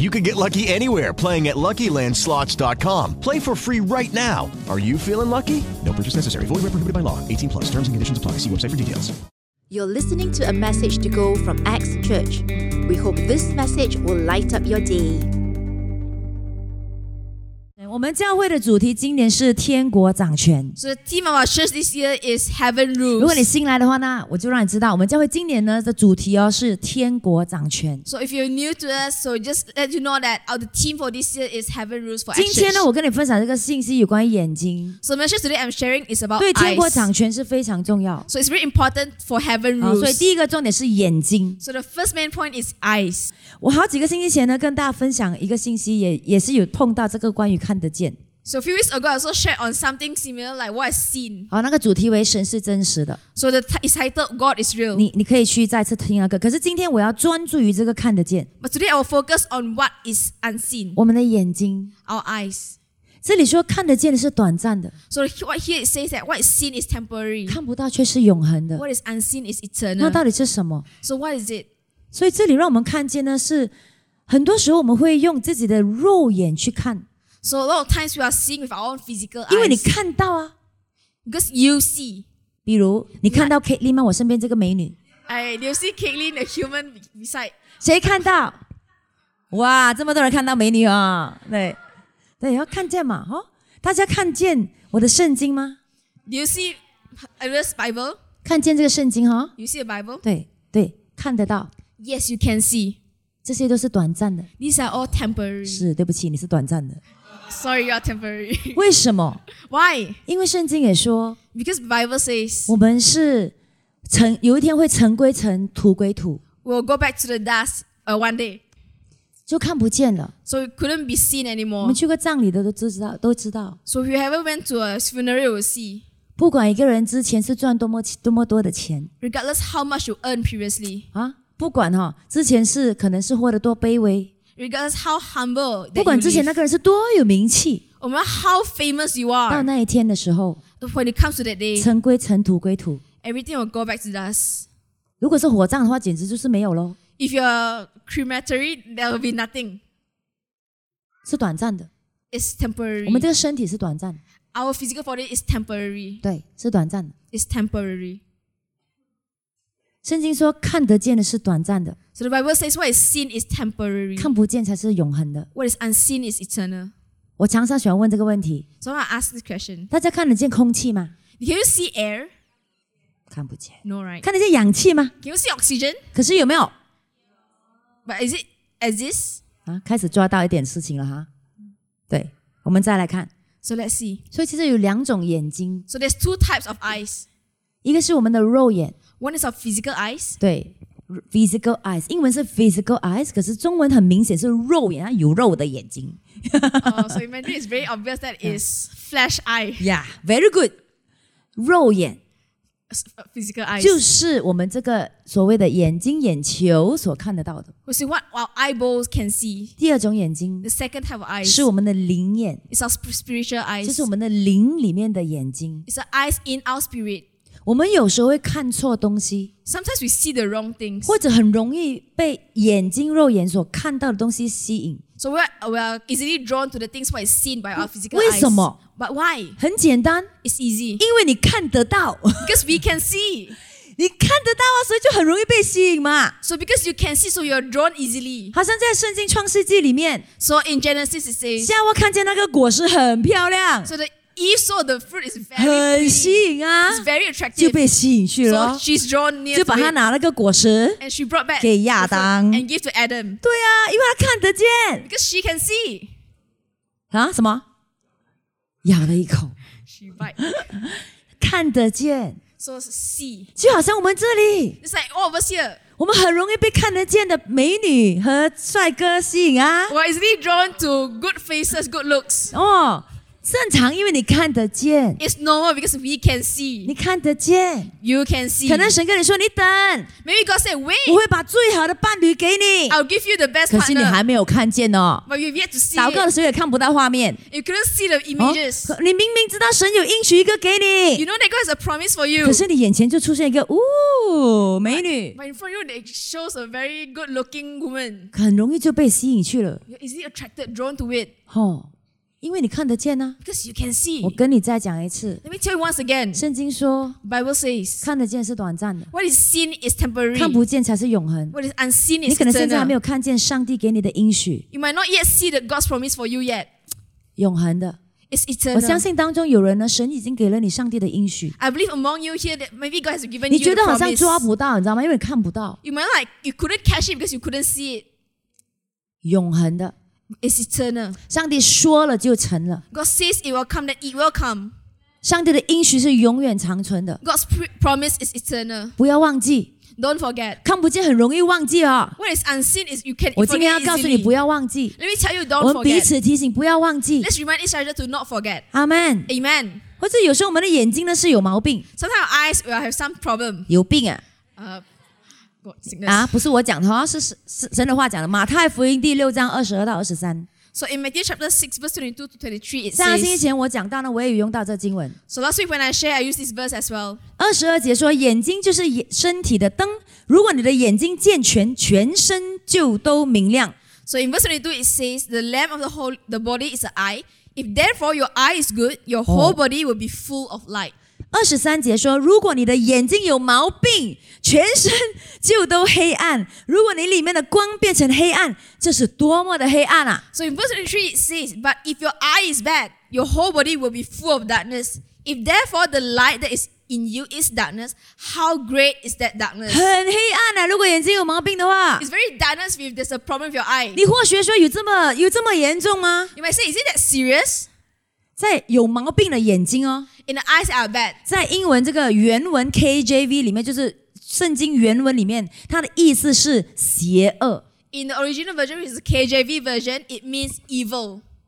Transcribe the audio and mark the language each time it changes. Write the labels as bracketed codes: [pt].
[en] You can get lucky anywhere, playing at LuckyLandSlots.com. Play for free right now. Are you feeling lucky? No purchase necessary. Void where prohibited by law. 18 plus. Terms and conditions apply. See website for details. You're listening to a message to go from Acts Church. We hope this message will light up your day. [zh] 我们教会的主题今年是天国掌权。 [en] So the theme of our church this year is heaven rules. [zh] 如果你新来的话呢，我就让你知道，我们教会今年呢的主题哦是天国掌权。 [en] So if you're new to us, so just let you know that our theme for this year is heaven rules for us. [zh] 今天呢，我跟你分享这个信息有关于眼睛。 [en] So the message today I'm sharing is about [zh] 对天国掌权是非常重要。 [en] So it's very important for heaven rules. [zh] 所以第一个重点是眼睛。 [en] So the first main point is eyes. [zh] 我好几个星期前呢跟大家分享一个信息，也是有碰到这个关于看。 [en] So a few weeks ago, I also shared on something similar like what I've seen. [zh] 好，那个主题为神是真实的。 [en] So the title God is real. [zh] 你可以去再次听那个。可是今天我要专注于这个看得见。 [en] But today I will focus on what is unseen. [zh] 我们的眼睛。 [en] Our eyes. [zh] 这里说看得见的是短暂的。 [en] So what here it says that what is seen is temporary. [zh] 看不到却是永恒的。 [en] What is unseen is eternal. [zh] 那到底是什么？ [en] So what is it? [zh] 所以这里让我们看见呢，是很多时候我们会用自己的肉眼去看。 [en] So a lot of times we are seeing with our own physical eyes. [zh] 因为你看到啊。 [en] Because you see. [zh] 比如你看到 Caitlin 吗？我身边这个美女。 [en] 哎 ，Do you see Caitlin the human beside? [zh] 谁看到？哇，这么多人看到美女啊！对，对，要看见嘛，哦，大家看见我的圣经吗 [en] ？Do you see this Bible? [zh] 看见这个圣经哈 [en] ？You see the Bible? [zh] 对对，看得到。 [en] Yes, you can see. [zh] 这些都是短暂的。 [en] These are all temporary. [zh] 是，对不起，你是短暂的。 [en] Sorry, you are temporary. [zh] 为什么 [en] ？Why? [zh] 因为圣经也说 [en] ，Because Bible says [zh] 我们是尘，有一天会尘归尘，土归土。 [en] We'll go back to the dust, one day. [zh] 就看不见了。 [en] So it couldn't be seen anymore. [zh] 我们去过葬礼的都知道。 [en] So if you ever went to a funeral, you'll see. [zh] 不管一个人之前是赚多么多的钱 [en] ，Regardless how much you earned previously. [zh] 啊，不管哈，之前是可能是活得多卑微。 [en] Regardless how humble that you live, [zh] 不管之前那个人是多有名气，我们 [en] how famous you are, [zh] 到那一天的时候 [en] ，when it comes to that day, [zh] 尘归尘，土归土 [en] ，everything will go back to dust. [zh] 如果是火葬的话，简直就是没有喽。 [en] If you're crematory, there will be nothing. [zh] 是短暂的 [en] ，it's temporary. [zh] 我们这个身体是短暂 [en] ，our physical body is temporary. [zh] 对，是短暂的 [en] ，it's temporary. [zh] 圣经说看得见的是短暂的。 [en] So the Bible says what is seen is temporary. [zh] 看不见才是永恒的。 [en] What is unseen is eternal. [zh] 我常常喜欢问这个问题。 [en] So I ask this question. [zh] 大家看得见空气吗？ [en] Can you see air? [zh] 看不见。 [en] No, right. [zh] 看得见氧气吗？ [en] Can you see oxygen? [zh] 可是有没有？ [en] But is it exist? [zh] 啊，开始抓到一点事情了哈。对，我们再来看。 [en] So let's see. [zh] 所以其实有两种眼睛。 [en] So there's two types of eyes. [zh] 一个是我们的肉眼。 [en] One is our physical eyes. [zh] 对。 [en] Physical eyes, [zh] 英文是 physical eyes, 可是中文很明显是肉眼，有肉的眼睛。 [en] So imagine it's very obvious that it's flesh eye. Yeah, very good. [zh] 肉眼 [en] physical eyes [zh] 就是我们这个所谓的眼睛眼球所看得到的。 [en] We see what our eyeballs can see. [zh] 第二种眼睛 [en] the second type of eyes [zh] 是我们的灵眼 [en] it's our spiritual eyes. [zh] 就是我们的灵里面的眼睛 [en] it's the eyes in our spirit. [zh] 我们有时候会看错东西 [en] Sometimes we see the wrong things [zh] 或者很容易被眼睛肉眼所看到的东西吸引 [en] So we are easily drawn to the things what is seen by our physical [zh] 为什么 [en] eyes But why? [zh] 很简单 [en] It's easy [zh] 因为你看得到 [en] Because we can see [zh] 你看得到啊所以就很容易被吸引嘛 [en] So because you can see so you are drawn easily [zh] 好像在圣经创世纪里面 [en] So in Genesis it says [zh] 夏娃看见那个果实很漂亮 [en] So the Eve saw the fruit is very pretty. [zh] 很吸引啊, [en] it's very attractive. [zh] 就被吸引去了, [en] so she's drawn near to it. [zh] 就把她拿了个果实, [en] and she brought back [zh] 给亚当, [en] and gave to Adam. [zh] 对啊, 因为她看得见, [en] because she can see. [zh] 啊, 什么?咬了一口, [en] she bite. [zh] 看得见, [en] so see. [zh] 就好像我们这里, [en] it's like all of us here. [zh] 我们很容易被看得见的美女和帅哥吸引啊。 [en] Why is he drawn to good faces, good looks? [zh] 哦，正常，因为你看得见。 [en] It's normal because we can see. [zh] 你看得见。 [en] You can see. [zh] 可能神跟你说，你等。 [en] Maybe God said, wait. [zh] 我会把最好的伴侣给你。 [en] I'll give you the best partner. [zh] 可是你还没有看见哦。 [en] But you've yet to see. [zh] 祷告的时候也看不到画面。 [en] You couldn't see the images. [zh] 你明明知道神有应许一个给你。 [en] You know that God has a promise for you. [zh] 可是你眼前就出现一个， 美女。 [en] But in front of you, it shows a very good-looking woman. [zh] 很容易就被吸引去了。 [en] Is it attracted, drawn to it? [zh] 因为你看得见啊， [en] because you can see. [zh] 我跟你再讲一次， [en] let me tell you once again. [zh] 圣经说， [en] Bible says, [zh] 看得见是短暂的， [en] what is seen is temporary, [zh] 看不见才是永恒， [en] what is unseen is eternal. [zh] 你可能甚至还没有看见上帝给你的应许， [en] you might not yet see the God's promise for you yet. [zh] 永恒的， [en] it's eternal. [zh] 我相信当中有人呢， 神已经给了你上帝的应许。 [en] I believe among you here that maybe God has given [zh] 你觉得好像抓不到， 你知道吗？因为你看不到， [en] you might like you couldn't catch it because you couldn't see it. [zh] 永恒的， [en] it's eternal. [zh] 上帝说了就成了。 [en] God says it will come, then it will come. [zh] 上帝的应许是永远长存的。 [en] God's promise is eternal. [zh] 不要忘记。 [en] Don't forget. [zh] 看不见很容易忘记啊。 [en] What is unseen is you can't. [zh] 我今天要告诉你不要忘记。 [en] Let me tell you, don't forget. [zh] 我们彼此提醒不要忘记。 [en] Let's remind each other to not forget. Amen. Amen. [zh] 或者有时候我们的眼睛呢是有毛病。 [en] Sometimes our eyes will have some problem. [zh] 有病啊。啊, 不是我讲的， 是神的话讲的， 马太福音第6章22到23。 [en] So in Matthew chapter 6 verse 22 to 23 it says, [zh] 上星期前我讲到呢， 我也有用到这经文。 [en] So last week when I share I used this verse as well. [zh] 22节说， 眼睛就是身体的灯， 如果你的眼睛健全， 全身就都明亮。 [en] So in verse 22 it says, the lamp of the body is the eye. If therefore your eye is good, your whole body will be full of light. [zh] 23节说， 如果你的眼睛有毛病， 全身就都黑暗， 如果你里面的光变成黑暗， 这是多么的黑暗啊。 [en] So in verse 23 it says, but if your eye is bad, your whole body will be full of darkness. If therefore the light that is in you is darkness, how great is that darkness? [zh] 很黑暗啊， 如果眼睛有毛病的话。 [en] It's very darkness if there's a problem with your eye. [zh] 你或许说有这么严重吗？ [en] You might say, is it that serious? [zh] 在有毛病的眼睛哦， [en] in the eyes are bad. [zh] 在英文这个原文 KJV里面， 就是圣经原文里面， 它的意思是邪恶。 [en] In the original version, which is the KJV version, it means evil.